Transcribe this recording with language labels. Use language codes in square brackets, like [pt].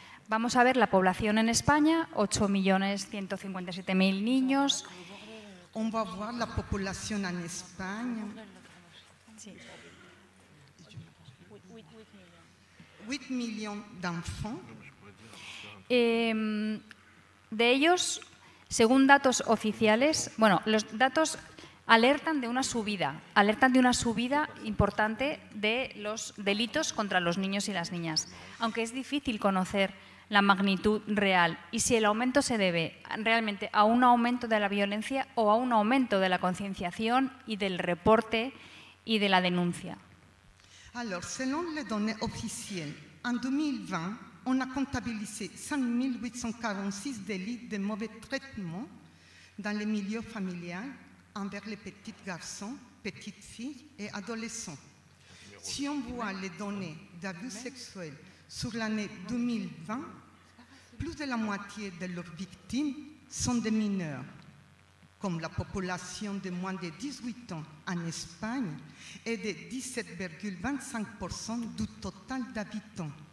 [es] Vamos a ver la población en España, 8.157.000 niños. [fr] On va voir la population en Espagne. 8 millions d'enfants. [es] De ellos, según datos oficiales, bueno, los datos alertan de una subida importante de los delitos contra los niños y las niñas, aunque es difícil conocer la magnitud real y si el aumento se debe realmente a un aumento de la violencia o a un aumento de la concienciación y del reporte y de la denuncia. [fr] Alors, selon les données officielles, en 2020, on a comptabilisé 5.846 délits de mauvais traitement dans les milieux familiaux envers les petits garçons, petites filles et adolescents. Si on voit les données d'abus sexuels sur l'année 2020, plus de la moitié de leurs victimes sont des mineurs, comme la population de moins de 18 ans en Espagne est de 17,25% du total d'habitants.